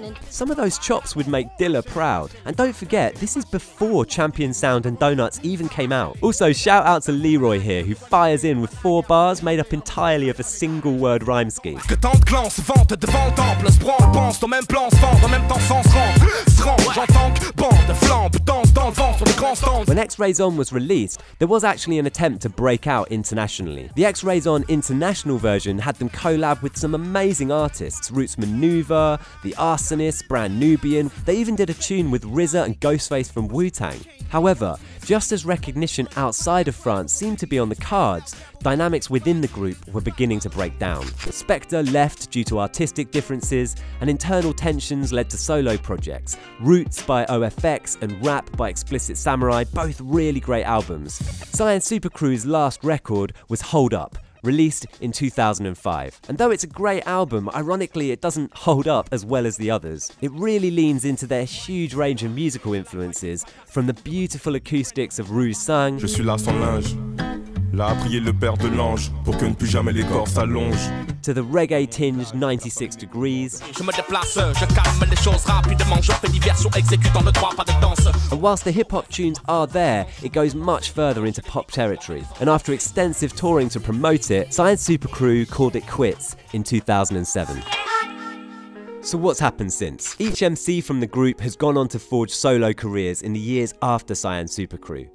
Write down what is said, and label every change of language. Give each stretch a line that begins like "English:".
English: Some of those chops would make Dilla proud. And don't forget, this is before Champion Sound and Donuts even came out. Also, shout out to Leroy here, who fires in with four bars made up entirely of a single word rhyme scheme.
French: Que tant de clans se vantent devant le temple, se prend, pense, ton même plan se vend, en même temps sans se rendre.
English: When X-Rayzone was released, there was actually an attempt to break out internationally. The X-Rayzone international version had them collab with some amazing artists, Roots Maneuver, The Arsonist, Brand Nubian. They even did a tune with RZA and Ghostface from Wu-Tang. However, just as recognition outside of France seemed to be on the cards, dynamics within the group were beginning to break down. Spectre left due to artistic differences, and internal tensions led to solo projects. Roots by OFX and Rap by Explicit Samurai, both really great albums. Cyan Supercrew's last record was Hold Up, released in 2005. And though it's a great album, ironically it doesn't hold up as well as the others. It really leans into their huge range of musical influences, from the beautiful acoustics of Rue Sang.
French: Je suis là sans linge. Là à prier le père de l'ange pour que ne plus jamais les corps s'allongent.
English: To the reggae tinge 96 Degrees.
French: Je me déplace, je calme les choses rapidement, je fais diversion, exécutant le droit, pas de danse.
English: And whilst the hip-hop tunes are there, it goes much further into pop territory. And after extensive touring to promote it, Cyan Supercrew called it quits in 2007. So what's happened since? Each MC from the group has gone on to forge solo careers in the years after Cyan Supercrew.